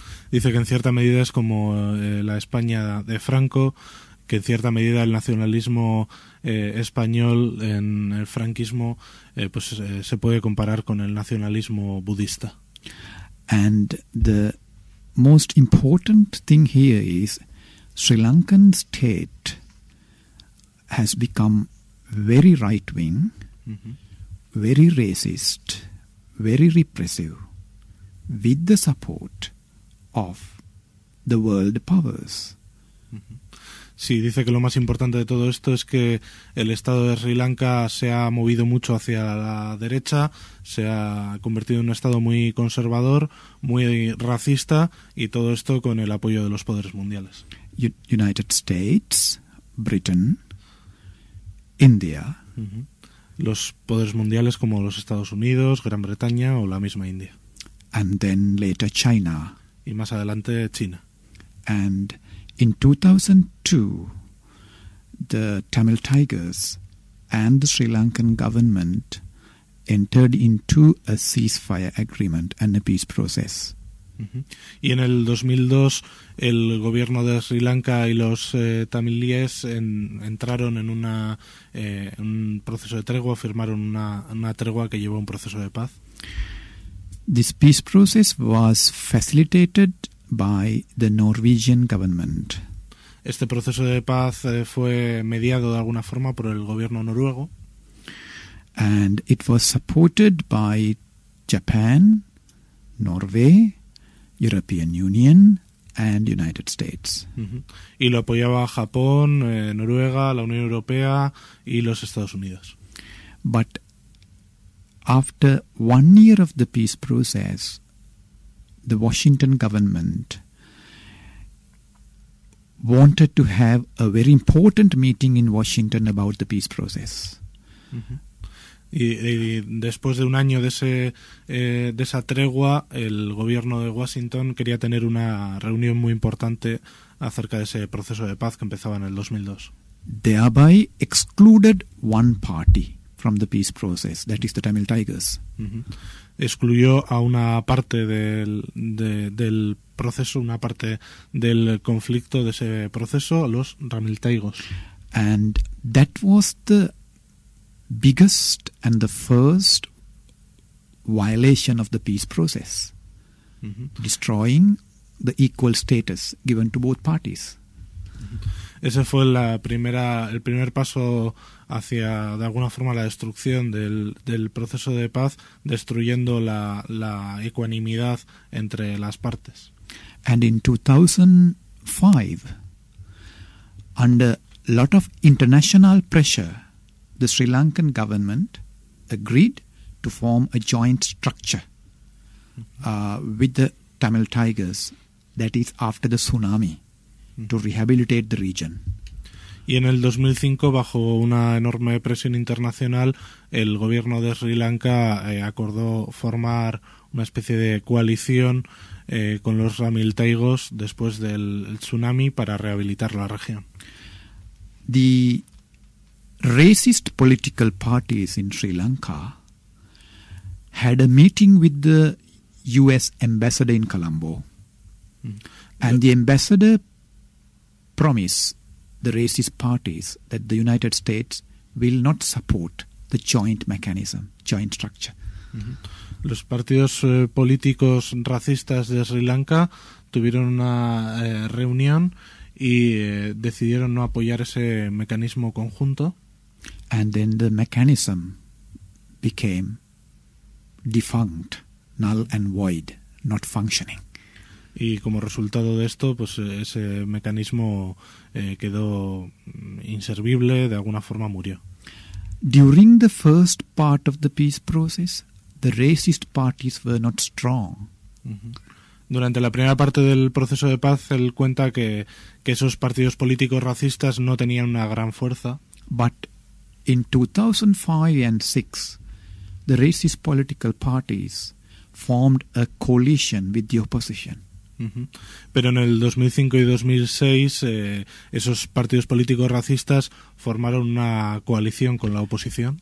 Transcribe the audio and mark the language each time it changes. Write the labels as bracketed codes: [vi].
[es] Dice que en cierta medida es como la España de Franco, que en cierta medida el nacionalismo español en el franquismo pues se puede comparar con el nacionalismo budista. [en] And the most important thing here is Sri Lankan state has become very right-wing, very racist, very repressive, with the support of the world powers. [es] Sí, dice que lo más importante de todo esto es que el Estado de Sri Lanka se ha movido mucho hacia la derecha, se ha convertido en un Estado muy conservador, muy racista, y todo esto con el apoyo de los poderes mundiales. [en] United States, Britain, India. [es] Los poderes mundiales como los Estados Unidos, Gran Bretaña o la misma India. [en] And then later China. [es] Y más adelante China. [en] And in 2002, the Tamil Tigers and the Sri Lankan government entered into a ceasefire agreement and a peace process. [es] Y en el 2002, el gobierno de Sri Lanka y los tamilíes entraron en un proceso de tregua, firmaron una tregua que llevó a un proceso de paz. [en] This peace process was facilitated by the Norwegian government. [es] Este proceso de paz fue mediado de alguna forma por el gobierno noruego. [en] And it was supported by Japan, Norway, European Union and United States. [es] Y lo apoyaba Japón, Noruega, la Unión Europea y los Estados Unidos. [en] But after 1 year of the peace process, the Washington government wanted to have a very important meeting in Washington about the peace process. [es] Y después de un año de esa tregua, el gobierno de Washington quería tener una reunión muy importante acerca de ese proceso de paz que empezaba en el 2002. [en] Thereby excluded one party from the peace process, that is the Tamil Tigers. [es] Excluyó a una parte del proceso, una parte del conflicto de ese proceso, a los Tamil Tigers. [en] And that was the biggest and the first violation of the peace process, destroying the equal status given to both parties. [es] Ese fue el primer paso hacia, de alguna forma, la destrucción del proceso de paz, destruyendo la ecuanimidad entre las partes. [en] And in 2005, under a lot of international pressure, the Sri Lankan government agreed to form a joint structure with the Tamil Tigers, that is after the tsunami, to rehabilitate the region. [es] Y en el 2005, bajo una enorme presión internacional, el gobierno de Sri Lanka acordó formar una especie de coalición con los Tamil Tigers después del tsunami para rehabilitar la región. [en] The racist political parties in Sri Lanka had a meeting with the US ambassador in Colombo. And the ambassador promised the racist parties that the United States will not support the joint mechanism, joint structure. [es] Los partidos políticos racistas de Sri Lanka tuvieron una reunión y decidieron no apoyar ese mecanismo conjunto. [en] And then the mechanism became defunct, null and void, not functioning. [es] Y como resultado de esto, pues ese mecanismo quedó inservible, de alguna forma murió. [en] During the first part of the peace process, the racist parties were not strong. [es] Durante la primera parte del proceso de paz, él cuenta que esos partidos políticos racistas no tenían una gran fuerza. [en] But in 2005 and 2006, the racist political parties formed a coalition with the opposition. [es] Pero en el 2005 y 2006 esos partidos políticos racistas formaron una coalición con la oposición